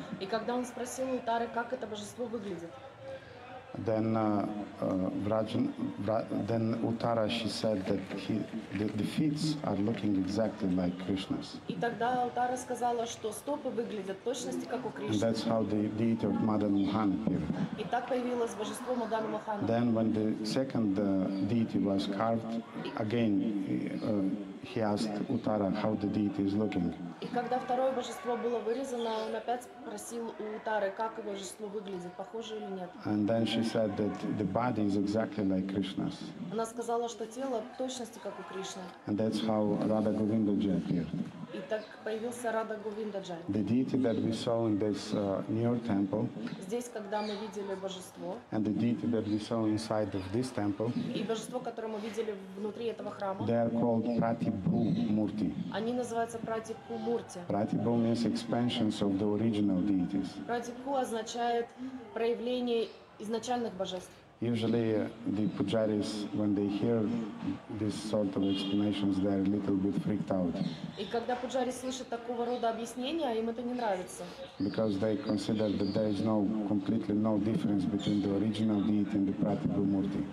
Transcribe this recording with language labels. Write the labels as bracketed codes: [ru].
[ru] И когда он спросил Uttara, как это божество выглядит? [en] Then Uttara, she said that the feet are looking exactly like Krishna's. [ru] И тогда Uttara сказала, что стопы выглядят точности как у Кришны. [en] And that's how the deity of Madan Mohan appeared. [ru] И так появилось божество Мадан Мохан. [en] Then when the second deity was carved again, he asked Uttara how the deity is looking. [ru] И когда второе божество было вырезано, он опять спросил у Утары, как его божество выглядит, похоже или нет. [en] And then she said that the body is exactly like Krishna's. [ru] Она сказала, что тело в точности как у Кришны. [en] And that's how Radha Govindaji appeared. [ru] И так появился Radha Govindaji. [en] The deity that we saw in this newer temple. [ru] Здесь, когда мы видели божество. [en] And the deity that we saw inside of this temple. [ru] И божество, которое мы видели внутри этого храма. [en] They are called Pratibhu Murti. [ru] Они называются Pratibhu Murti. [en] Pratibhu means expansions of the original deities. [ru] Pratibhu означает проявление изначальных божеств. [en] Usually the pujaris, when they hear this sort of explanations, they're a little bit freaked out. [ru] И когда пуджари слышат такого рода объяснения, им это не нравится. [en] Because they consider that there is no completely no difference between the original deity and the Pratibhumurti.